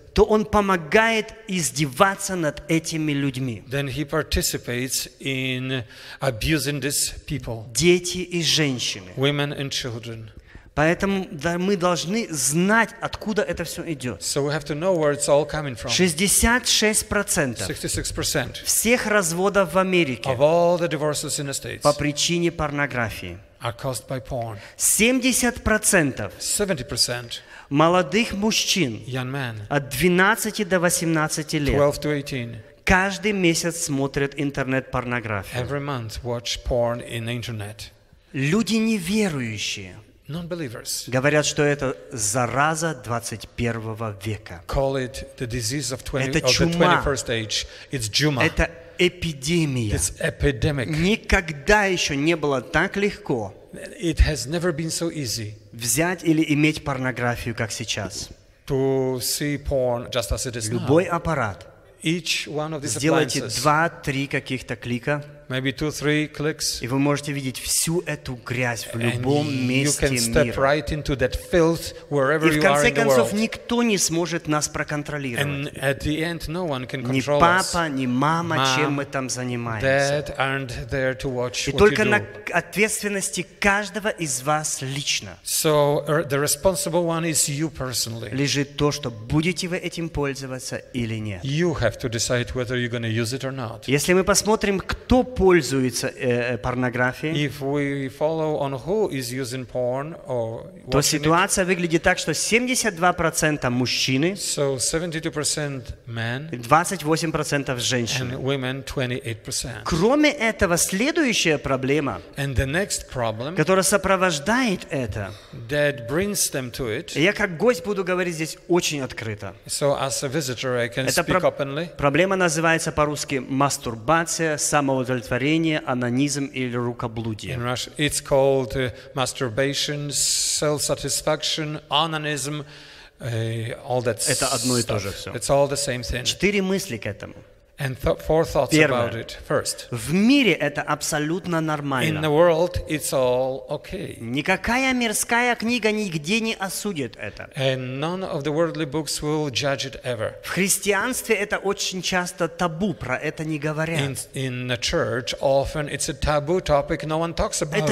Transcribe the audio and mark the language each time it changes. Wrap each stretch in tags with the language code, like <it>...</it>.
<ru>то он помогает издеваться над этими людьми.</ru> <en>Then he participates in abusing these people.</en> <ru>Дети и женщины.</ru> <en>Women and children.</en> <ru>Поэтому да, мы должны знать, откуда это все идет.</ru> <en>So we have to know where it's all coming from.</en> <ru>66% всех разводов в Америке</ru> <en>of all the divorces in the States</en> <ru>по причине порнографии.</ru> <en>Are caused by porn.</en> <ru>70% молодых мужчин,</ru> <en>young men,</en> <ru>от 12 до 18 лет</ru> <en>12 to 18,</en> <ru>каждый месяц смотрят интернет-порнографию.</ru> <en>Every month watch porn in the internet.</en> <ru>Люди неверующие</ru> <en>non-believers</en> <ru>говорят, что это зараза 21 века.</ru> <en>Call it the disease of the 21st age. It's juma.</en> <ru>Это эпидемия.</ru> <en>It's epidemic.</en> <ru>Никогда еще не было так легко.</ru> <en>It has never been so easy.</en> <ru>Взять или иметь порнографию, как сейчас.</ru> <en>To see porn just as it is now.</en> <ru>Любой аппарат.</ru> <en>Each one of these</en> <ru>сделайте 2-3 каких-то клика.</ru> <en>Maybe 2-3 clicks.</en> <ru>И вы можете видеть всю эту грязь в любом</ru> <en>and</en> <ru>месте</ru> <en>you can step</en> <ru>мира.</ru> <en>Right into that filth wherever</en> <ru>и в конце</ru> <en>you are</en> <ru>концов,</ru> <en>in the world.</en> <ru>Никто не сможет нас проконтролировать.</ru> <en>And at the end, no one can control</en> <ru>ни папа,</ru> <en>us.</en> <ru>Ни мама,</ru> <en>Mom,</en> <ru>чем мы там занимаемся.</ru> <en>Dad aren't there to watch</en> <ru>и</ru> <en>what</en> <ru>только</ru> <en>you</en> <ru>на</ru> <en>do.</en> <ru>Ответственности каждого из вас лично</ru> <en>so, the responsible one is you personally.</en> <ru>Лежит то, что будете вы этим пользоваться или нет.</ru> <en>You have to decide whether you're going to use it or not.</en> <ru>Если мы посмотрим, кто пользуется порнографией,</ru> <en>if we follow on who is using porn or</en> <ru>то ситуация</ru> <en>it,</en> <ru>выглядит так, что 72% мужчины,</ru> <en>so 72% men,</en> <ru>28% женщин,</ru> <en>and women 28%.</en> <ru>Кроме этого, следующая проблема,</ru> <en>and the next problem,</en> <ru>которая сопровождает это,</ru> <en>that brings them to it,</en> <ru>я как гость буду говорить здесь очень открыто.</ru> <en>So as a visitor, I can speak openly.</en> <ru>Проблема называется по-русски мастурбация, самоудовлетворение, удовлетворение, анонизм или рукоблудие.</ru> <en>In Russian, it's called masturbation, self-satisfaction, onanism, all that stuff.</en> <ru>Это одно и то же все.</ru> <en>It's all the same thing.</en> <ru>Четыре мысли к этому.</ru> <en>And four thoughts about it first.</en> <ru>В мире это абсолютно нормально.</ru> <en>In the world it's all okay.</en> <ru>Никакая мирская книга нигде не осудит это.</ru> <en>And none of the worldly books will judge it ever.</en> <ru>В христианстве это очень часто табу, про это не говорят.</ru> <en>In the church often it's a taboo topic, no one talks about it.</en>